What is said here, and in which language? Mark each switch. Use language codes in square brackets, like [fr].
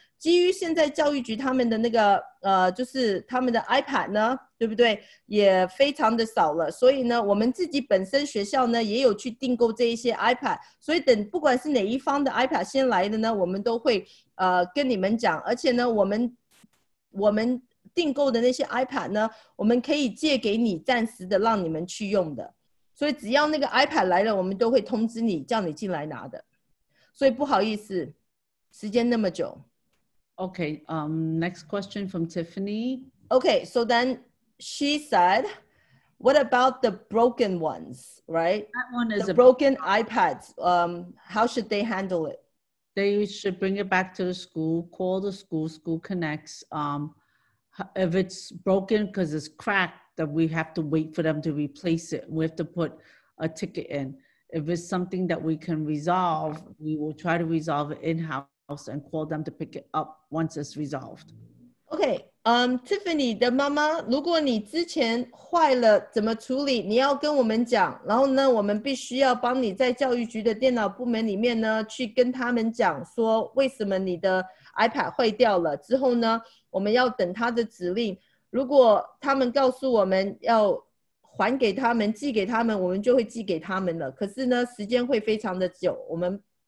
[zh] 基于现在教育局他们的那个，就是他们的iPad呢，对不对？也非常的少了，所以呢，我们自己本身学校呢也有去订购这一些iPad，所以等不管是哪一方的iPad先来的呢，我们都会跟你们讲，而且呢，我们订购的那些iPad呢，我们可以借给你暂时的让你们去用的，所以只要那个iPad来了，我们都会通知你，叫你进来拿的，所以不好意思，时间那么久。 [en] Okay, next question from Tiffany. Okay, so then she said, what about the broken ones, right? That one is the broken iPads. How should they handle it? They should bring it back to the school, call the school, school connects. If it's broken because it's cracked, then we have to wait for them to replace it. We have to put a ticket in. If it's something that we can resolve, we will try to resolve it in-house. And call them to pick it up once it's resolved. [zh] Okay, Tiffany 的妈妈，如果你之前坏了怎么处理，你要跟我们讲，然后呢，我们必须要帮你在教育局的电脑部门里面呢，去跟他们讲说为什么你的 iPad 坏掉了之后呢，我们要等他的指令。如果他们告诉我们要还给他们，寄给他们，我们就会寄给他们了。可是呢，时间会非常的久，我们。